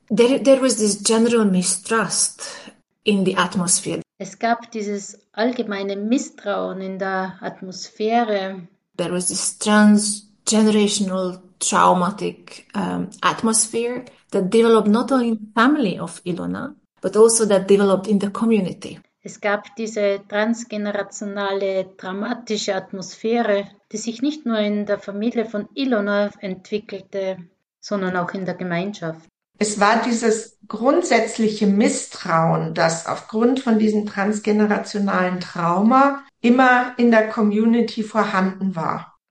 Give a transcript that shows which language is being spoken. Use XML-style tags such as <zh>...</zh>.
<en>There was this general mistrust in the atmosphere.</en> <de>Es gab dieses allgemeine Misstrauen in der Atmosphäre.</de> <en>There was this transgenerational traumatic atmosphere that developed not only in the family of Ilona, but also that developed in the community.</en> <de>Es gab diese transgenerationale dramatische Atmosphäre, die sich nicht nur in der Familie von Ilona entwickelte, sondern auch in der Gemeinschaft. Es war dieses grundsätzliche Misstrauen, das aufgrund von diesem transgenerationalen Trauma immer in der Community vorhanden war.</de>